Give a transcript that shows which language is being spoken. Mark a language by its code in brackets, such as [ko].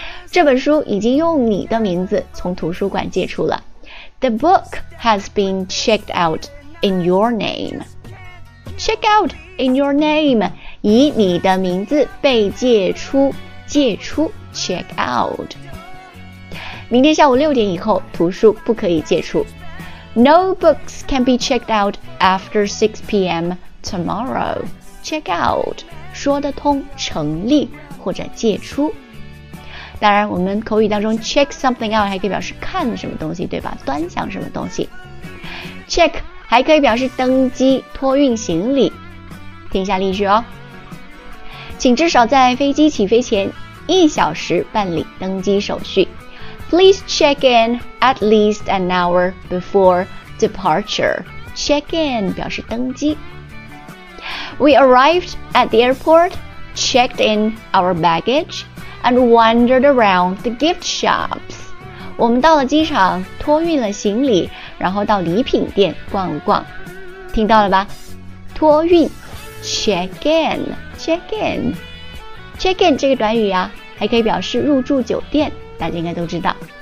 [zh] 这本书已经用你的名字从图书馆借出了。 [en] The book has been checked out in your name. Check out in your name， [zh] 以你的名字被借出，借出 check out。明天下午六点以后图书不可以借出。 [en] No books can be checked out after 6 p.m. tomorrow. [zh] Check out 说得通、成立或者借出。当然我们口语当中 [en] check something out [zh] 还可以表示看什么东西，对吧？端详什么东西。check 还可以表示登机、托运行李。听一下例句哦，请至少在飞机起飞前一小时办理登机手续。 [en] Please check in at least an hour before departure. [zh] Check in 表示登机。 [en] We arrived at the airport, checked in our baggage, and wandered around the gift shops. [zh] 我们到了机场，托运了行李，然后到礼品店逛了逛。听到了吧？托运 check in。 check in 这个短语啊还可以表示入住酒店，大家应该都知道。